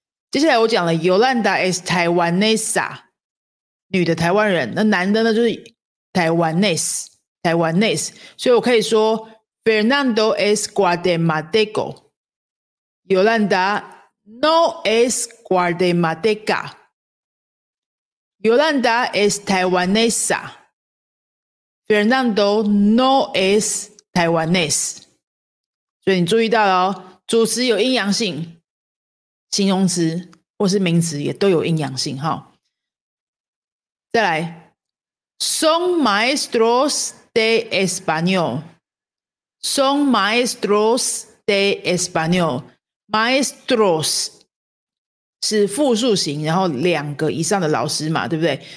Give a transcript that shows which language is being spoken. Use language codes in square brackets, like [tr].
[zh] 接下来我讲了 ， [es] Yolanda es taiwanesa。 [zh] 女的台湾人，那男的呢就是台湾 ese， 所以我可以说 [es] Fernando es guatemalteco， Yolanda no es guatemalteca， Yolanda es taiwanesa， Fernando no es taiwanese。 [zh] 所以你注意到了哦，主词有阴阳性，形容词或是名词也都有阴阳性。好，再来， [es] son maestros de español， [zh] son maestros de español， maestros 是复数型，然后两个以上的老师嘛，对不对？